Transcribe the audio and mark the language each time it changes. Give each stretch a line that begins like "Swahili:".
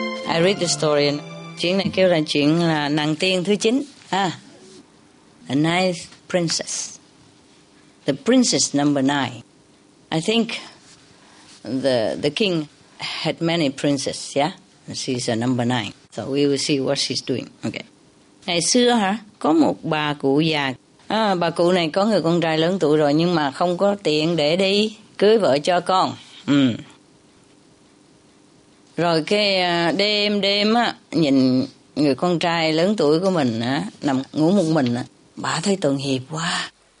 English: I read the story and
Vietnamese: chuyện này kêu là chuyện là nàng tiên thứ 9,
English: a ninth princess, the princess number 9. I think the king had many princes, yeah? And she's a number 9. So we will see what she's doing. Okay.
Vietnamese: Ngày xưa hả, có một bà cụ già. Bà cụ này có người con trai lớn tuổi rồi nhưng mà không có tiền để đi cưới vợ cho con. Rồi cái đêm á, nhìn người con trai lớn tuổi của mình á, nằm ngủ một mình á, bà thấy tội nghiệp quá.